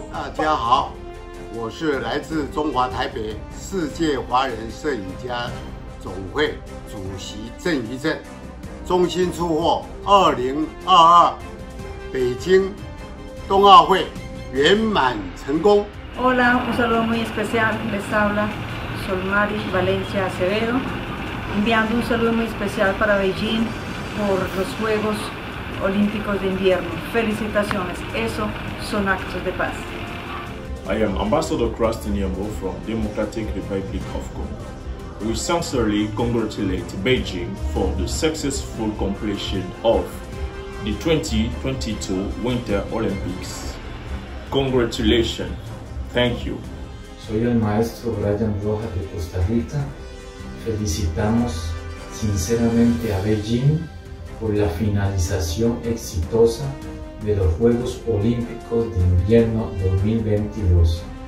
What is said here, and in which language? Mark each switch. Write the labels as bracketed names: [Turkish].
[Chinese] 大家好，我是来自中华台北世界华人摄影家总会主席郑余正，衷心祝贺2022北京 冬奥会圆满成功。 [Spanish] Hola, un saludo muy especial. Les habla Solmaris Valencia Acevedo, enviando un saludo muy especial para Beijing por los Juegos Olímpicos de Invierno. Felicitaciones, eso son actos de paz. [English] I am Ambassador Krastin Yambo from Democratic Republic of Congo. we sincerely congratulate Beijing for the successful completion of the 2022 Winter Olympics. Congratulations. Thank you. [Spanish] Soy el maestro Brian Rojas de Costa Rica. Felicitamos sinceramente a Beijing por la finalización exitosa de los Juegos Olímpicos de Invierno 2022.